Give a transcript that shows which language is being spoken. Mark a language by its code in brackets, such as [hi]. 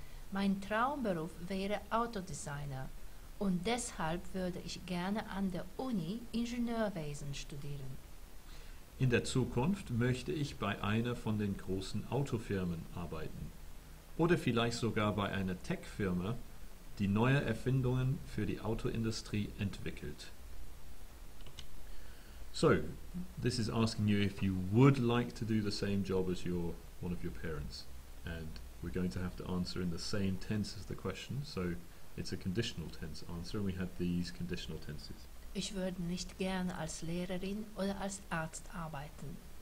[de] Mein Traumberuf wäre Autodesigner und deshalb würde ich gerne an der Uni Ingenieurwesen studieren. In der Zukunft möchte ich bei einer von den großen Autofirmen arbeiten. Oder vielleicht sogar bei einer Tech-Firma, die neue Erfindungen für die Autoindustrie entwickelt. [en] So, this is asking you if you would like to do the same job as your one of your parents. And we're going to have to answer in the same tense as the question. So, it's a conditional tense answer. We have these conditional tenses. [de] Ich würde nicht gerne als Lehrerin oder als Arzt arbeiten.